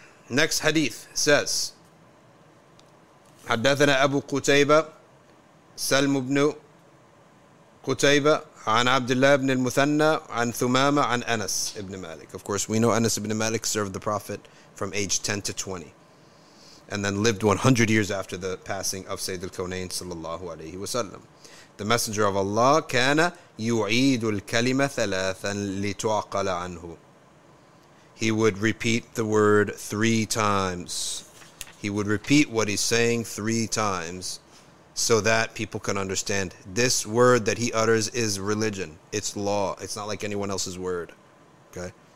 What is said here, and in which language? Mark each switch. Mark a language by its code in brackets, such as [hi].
[en] Next hadith says, [ar] حدثنا أبو قتيبة سلم بن قتيبة عن عبد الله بن المثنى عن ثمامة عن أنس بن مالك. [en] Of course, we know Anas ibn Malik served the Prophet from age 10 to 20 and then lived 100 years after the passing of Sayyid al-Kawnayn sallallahu alayhi wa sallam. The Messenger of Allah [ar] كان يعيد الكلمة ثلاثا لتعقل عنه. [en] He would repeat the word three times. He would repeat what he's saying three times so that people can understand this word that he utters is religion. It's law. It's not like anyone else's word. Okay?